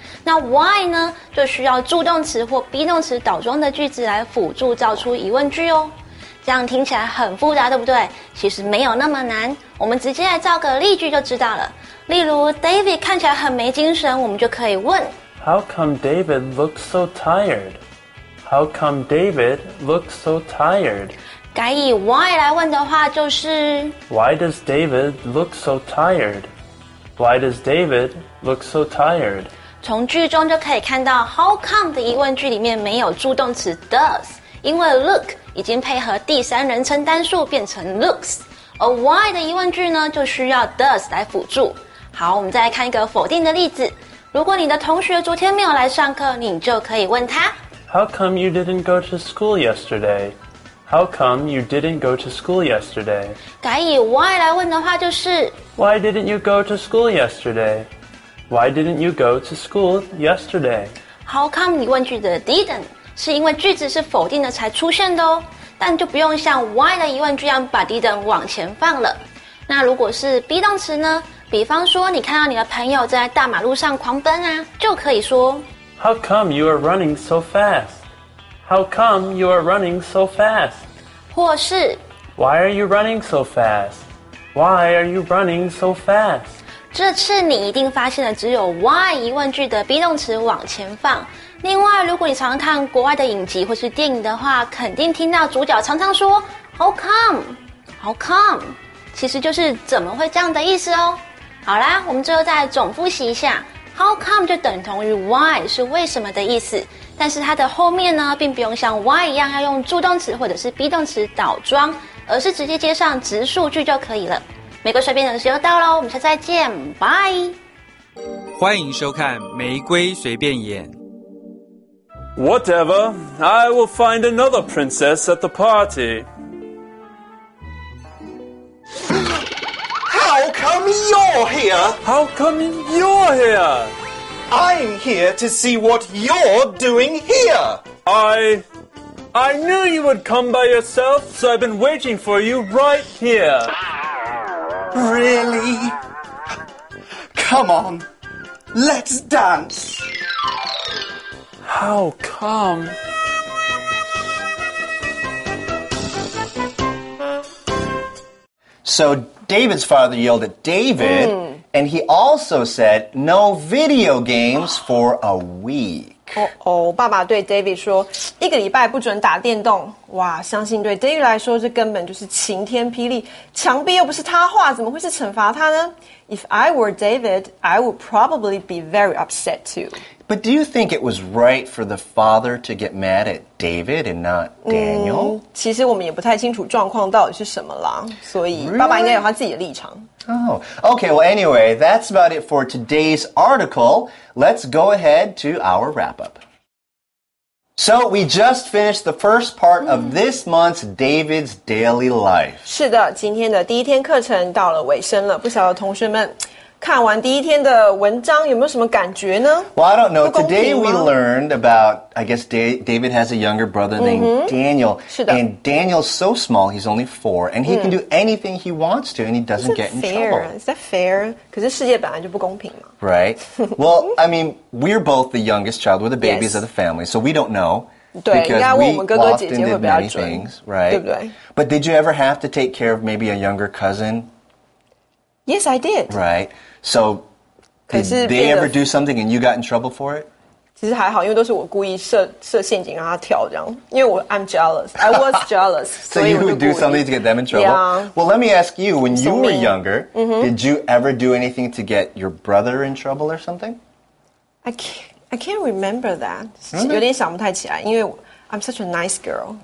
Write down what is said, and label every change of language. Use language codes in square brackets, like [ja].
[zh] 那 why 呢，就需要助动词或 be 动词导装的句子来辅助造出疑问句哦。这样听起来很复杂，对不对？其实没有那么难，我们直接来造个例句就知道了。例如 David 看起来很没精神，我们就可以问 [en] How come David looks so tired? How come David looks so tired? [zh] 改以 why 来问的话就是 [en] Why does David look so tired? Why does David look so tired? [zh] 从句中就可以看到 How come 的疑问句里面没有助动词 does， 因为 look已经配合第三人称单数变成 looks， 而 why 的疑问句呢就需要 does 来辅助。好，我们再来看一个否定的例子。如果你的同学昨天没有来上课，你就可以问他 [en] How come you didn't go to school yesterday? How come you didn't go to school yesterday? [zh] 改以 why 来问的话就是 [en] Why didn't you go to school yesterday? Why didn't you go to school yesterday? [zh] How come 疑问句的 didn't是因为句子是否定的才出现的哦，但就不用像 why 的疑问句一样把 didn't 往前放了。那如果是 be 动词呢？比方说你看到你的朋友在大马路上狂奔啊，就可以说 [en] How come you are running so fast? How come you are running so fast? [zh] 或是 [en] Why are you running so fast? Why are you running so fast? [zh] 这次你一定发现了只有 why 疑问句的 be 动词往前放。另外如果你常看国外的影集或是电影的话，肯定听到主角常常说 [en] How come? How come? [zh] 其实就是怎么会这样的意思哦。好啦，我们最后再总复习一下， How come 就等同于 why， 是为什么的意思，但是它的后面呢并不用像 why 一样要用助动词或者是 be 动词倒装，而是直接接上直述句就可以了。玫瑰随便聊的时候到咯，我们下次再见，拜。欢迎收看玫瑰随便演。 [en] Whatever, I will find another princess at the party. How come you're here? How come you're here? I'm here to see what you're doing here. I knew you would come by yourself, so I've been waiting for you right here. Really? Come on. Let's dance! How come? So David's father yelled at David, and he also said, no video games for a week. [zh] 爸爸对 David 说，一个礼拜不准打电动。哇，相信对 David 来说，这根本就是晴天霹雳。墙壁又不是他画，怎么会是惩罚他呢？ [en] If I were David, I would probably be very upset too. But do you think it was right for the father to get mad at David and not Daniel? [zh] 其实我们也不太清楚状况到底是什么啦，所以爸爸应该有他自己的立场。 [en] Oh, okay, well anyway, that's about it for today's article. Let's go ahead to our wrap-up. So we just finished the first part of this month's David's Daily Life. [zh] 是的，今天的第一天课程到了尾声了，不晓得同学们看完第一天的文章有没有什么感觉呢？ [en] Well, I don't know. Today we learned about, I guess David has a younger brother named Daniel. [zh] 是的。 [en] And Daniel's so small, he's only 4, and he can do anything he wants to, and he doesn't get in trouble. Is that fair? [zh] 可是世界本来就不公平嘛。 [en] Right. Well, I mean, we're both the youngest child. We're the babies of the family, so we don't know. [zh] 对，应该问我们哥哥姐姐会比较准， [en] things, right? [zh] 对不对 [en] ？But did you ever have to take care of maybe a younger cousin? Yes, I did. Right. So, did they ever do something and you got in trouble for it? [zh] 其实还好，因为都是我故意设陷阱让他跳这样。因为我 [en] I'm jealous. I was jealous. So you would do something to get them in trouble? Yeah. Well, let me ask you. When you were younger, did you ever do anything to get your brother in trouble or something? I can't remember that. [zh] 有点想不太起来，因为 [en] I'm such a nice girl.